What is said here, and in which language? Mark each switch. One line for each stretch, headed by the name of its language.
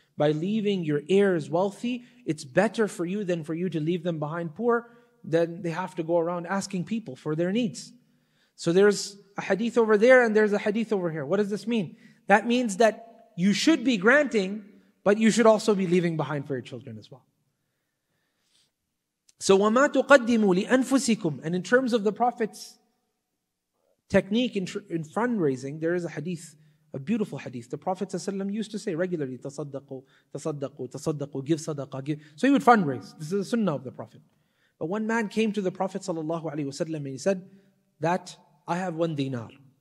English: By leaving your heirs wealthy, it's better for you than for you to leave them behind poor, then they have to go around asking people for their needs. So there's a hadith over there and there's a hadith over here. What does this mean? That means that you should be granting, but you should also be leaving behind for your children as well.
Arabic: So وَمَا تُقَدِّمُوا لِأَنفُسِكُمْ.
English: And in terms of the Prophet's technique in fundraising, there is a hadith, a beautiful hadith. The Prophet ﷺ used to say regularly,
Arabic: تَصَدَّقُوا, تَصَدَّقُوا, تَصَدَّقُوا,
English: give
Arabic: صَدَقَ,
English: give. So he would fundraise. This is the sunnah of the Prophet. But one man came to the Prophet ﷺ and he said that I have one dinar.